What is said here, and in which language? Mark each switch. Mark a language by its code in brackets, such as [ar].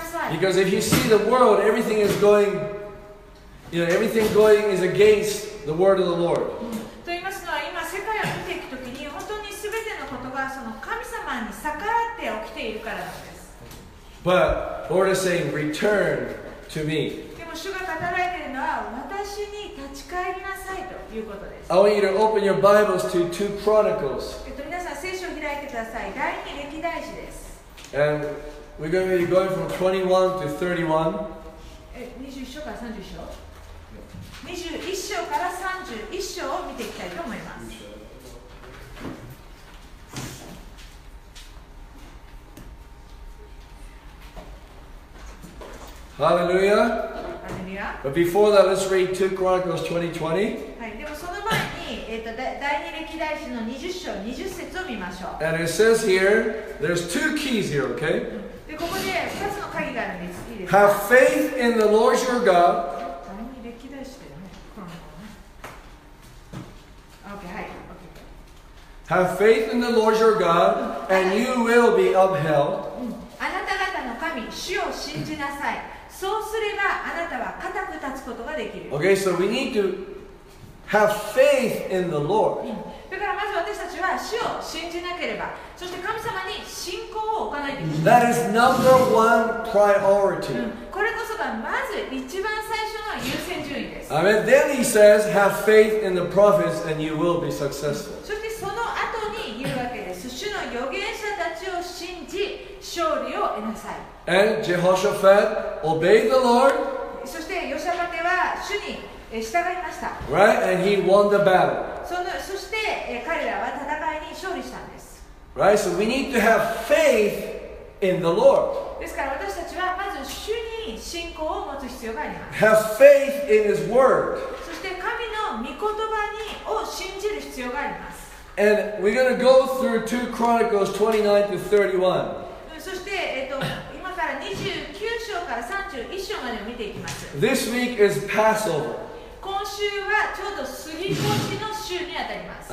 [en] Because if you see the world, everything is going, you know, everything going is against the word of the Lord. [ja] と言いますのは、今世界を見ていくときに、本当にすべてのことがその神様に逆らって起きているからなんです。 [en] But Lord is saying, return to me. [ja] でも主が語られているのは、私に立ち返りなさいということです。 [en] I want you to open your Bibles to 2 Chronicles. [ja] 皆さん、聖書を開いてください。第二歴代史です。 [en] And we're going to be going from 21 to 31. [ja] 21章から30章。 21章から31章を見ていきたいと思います。 [en] Hallelujah. Hallelujah. But before that, let's read 2 Chronicles 20:20. [ja] はい、でもその前に、第二歴代史の20章20節を見ましょう。 [en] And it says here, there's two keys here, okay? [ja] でここで2つの鍵があるんです。いいですか? [en] Have faith in the Lord your God. [ja] 第二歴代史だよね。この方ね。Okay, はい。Okay. [en] Have faith in the Lord your God, and you will be upheld. [ja] あなた方の神、主を信じなさい。そうすればあなたは固く立つことができる。 [en] Okay, so we need to have faith in the Lord. [ja] だからまず私たちは主を信じなければ。そして神様に信仰を置かないといけない。 [en] That is number one priority. [ja] これこそがまず一番最初の優先順位です。 [en] I mean, then he says, have faith in the prophets and you will be successful. [ja] そしてその後に言うわけです。主の預言者たちを信じ、勝利を得なさい。 [en] And Jehoshaphat obeyed the Lord. [ja] そしてヨシャファテは主に従いました。 [en] Right? And he won the battle. [ja] そして彼らは戦いに勝利したんです。 [en] Right, so we need to have faith in the Lord. [ja] ですから私たちはまず主に信仰を持つ必要があります。 [en] Have faith in His Word. [ja] そして神の御言葉にを信じる必要があります。 [en] And we're going to go through 2 Chronicles 29 to 31. [ja] そして今から29章から31章までを見ていきます。 [en] This week is Passover. [ja] 今週はちょうど過ぎ越しの週にあたります。